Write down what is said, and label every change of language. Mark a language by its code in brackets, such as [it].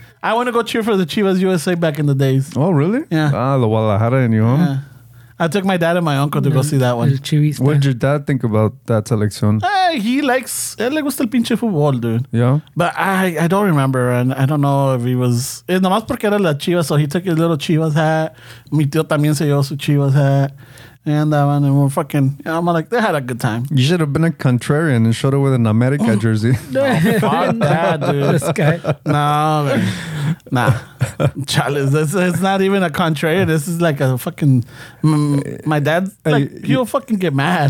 [en] I want to go cheer for the Chivas USA back in the days. Oh, really? Yeah. Ah, the Guadalajara in you, huh? Yeah. I took my dad and my uncle to go see that one. Chivista. What did your dad think about that selection? He likes... [es] Él le gusta el pinche fútbol, dude. [en] Yeah? But I don't remember, and I don't know if he was... [es] Nomás porque era la Chivas, [en] so he took his little Chivas hat. [es] Mi tío también se llevó su Chivas hat. [en] And that one, and we're fucking... You know, I'm like, they had a good time. You should have been a contrarian and showed up with an America jersey. Fuck that, dude. This guy. No, man. Nah. Chalice, it's not even a contrary. This is like a fucking... my dad, like, he'll fucking get mad.